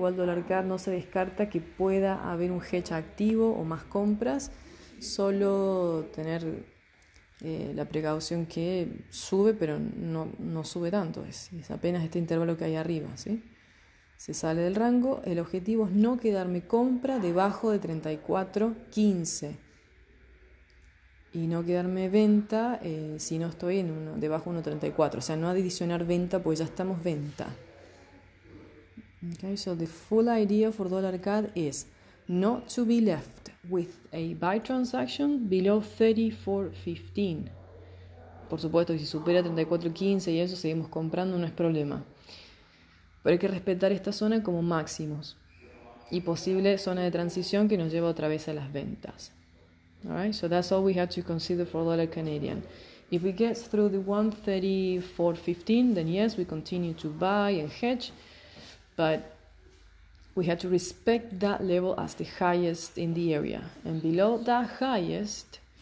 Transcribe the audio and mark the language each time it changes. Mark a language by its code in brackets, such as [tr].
[es] Igual dólar CAD no se descarta que pueda haber un hedge activo o más compras, solo tener la precaución que sube, pero no sube tanto, es apenas este intervalo que hay arriba, ¿sí? Se sale del rango. El objetivo es no quedarme compra debajo de 34.15. Y no quedarme venta si no estoy en uno, debajo de 1.34. O sea, no adicionar venta pues ya estamos venta. [en] Okay, so the full idea for dollar CAD is not to be left with a buy transaction below 34.15. [es] Por supuesto, si supera 34.15 y eso, seguimos comprando, no es problema. Pero hay que respetar esta zona como máximos. Y posible zona de transición que nos lleva otra vez a las ventas. [en] Alright, so that's all we have to consider for dollar Canadian. If we get through the 1.3415, then yes, we continue to buy and hedge, but we have to respect that level as the highest in the area. And below that highest,